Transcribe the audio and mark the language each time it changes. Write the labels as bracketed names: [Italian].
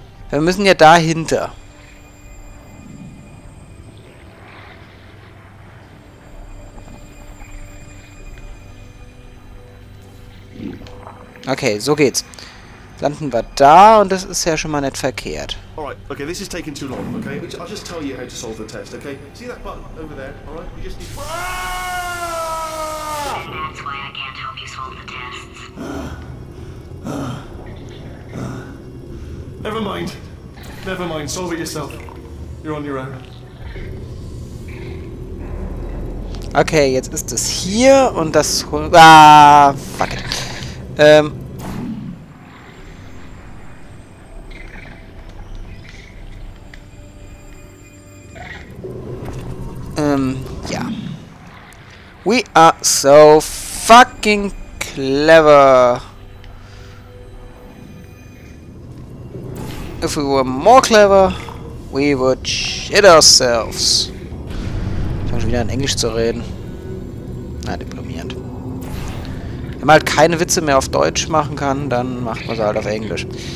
[German] Wir müssen ja dahinter. Okay, so geht's. Landen wir da und das ist ja schon mal nicht verkehrt. [English] Alright, okay, this is taking too long, okay? I'll just tell you how to solve the test, okay? See that button over there, alright? You just need... That's why I can't help you solve the tests. Never mind. Never mind, solve it yourself. You're on your own. [German] Okay, jetzt ist es hier und das... [English] Ah, fuck it. [German] Ja. [English] We are so fucking clever. If we were more clever, we would shit ourselves. [German] Ich fange schon wieder an, Englisch zu reden. Na, deprimierend. Wenn man halt keine Witze mehr auf Deutsch machen kann, dann macht man sie halt auf Englisch.